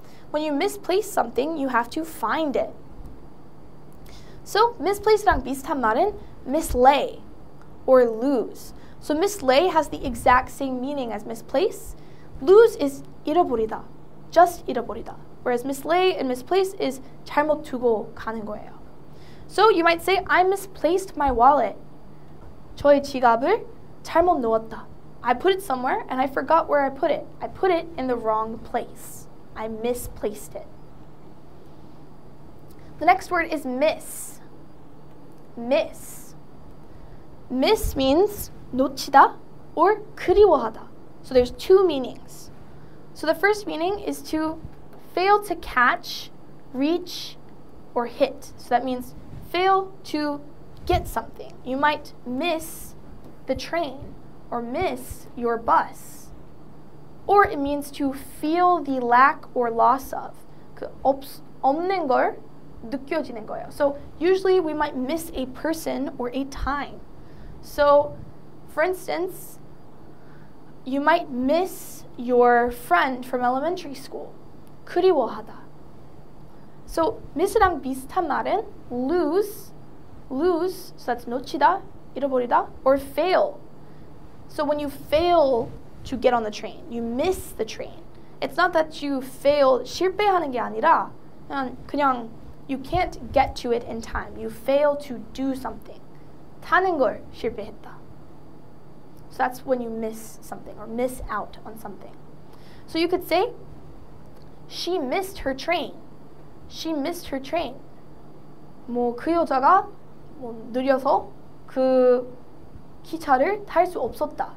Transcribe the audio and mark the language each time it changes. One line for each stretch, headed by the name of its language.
English: When you misplace something, you have to find it. So misplace랑
Korean: 비슷한 말은
English: mislay or lose. So mislay has the exact same meaning as misplace. Lose is
Korean: 잃어버리다,
English: just 잃어버리다. Whereas mislay and misplace is
Korean: 잘못 두고 가는 거예요.
English: So you might say, I misplaced my wallet.
Korean: 저의 지갑을 잘못 놓았다.
English: I put it somewhere and I forgot where I put it. I put it in the wrong place. I misplaced it. The next word is miss. Miss. Miss means
Korean: 놓치다 or 그리워하다.
English: So there's two meanings. So the first meaning is to fail to catch, reach, or hit. So that means fail to get something. You might miss the train or miss your bus. Or it means to feel the lack or loss of.
Korean: 그 없는 걸 느껴지는 거예요.
English: So usually we might miss a person or a time. So for instance, you might miss your friend from elementary school.
Korean: 그리워하다.
English: So miss랑
Korean: 비슷한 말은
English: lose, so that's
Korean: 놓치다, 잃어버리다,
English: or fail. So when you fail to get on the train, you miss the train. It's not that you fail,
Korean: 실패하는 게 아니라, 그냥
English: you can't get to it in time. You fail to do something.
Korean: 타는 걸 실패했다.
English: So that's when you miss something or miss out on something. So you could say, she missed her train. She missed her train.
Korean: 뭐 그 여자가 뭐 느려서 그 기차를 탈 수 없었다.